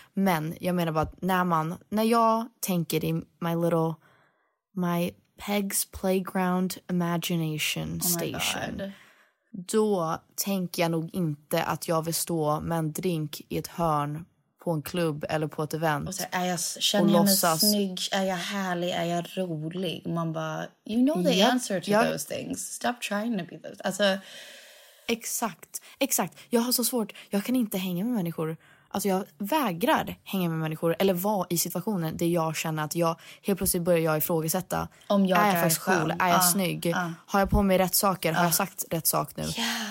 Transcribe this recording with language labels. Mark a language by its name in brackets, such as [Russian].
[Swedish] Men jag menar bara att när jag tänker i [English] my Peg's playground imagination station. [Swedish] God. Då tänker jag nog inte att jag vill stå med en drink i ett hörn på en klubb eller på ett event. Och så här, känner jag mig snygg? Är jag härlig? Är jag rolig? Man bara, [English] you know the answer to those things. Stop trying to be those. [Swedish] Alltså, Exakt. Jag har så svårt. Jag kan inte hänga med människor. Alltså jag vägrar hänga med människor eller vara i situationer där jag känner att jag helt plötsligt börjar jag ifrågasätta om jag är faktiskt cool, är jag snygg, har jag på mig rätt saker, har jag sagt rätt sak nu. [English] Yeah.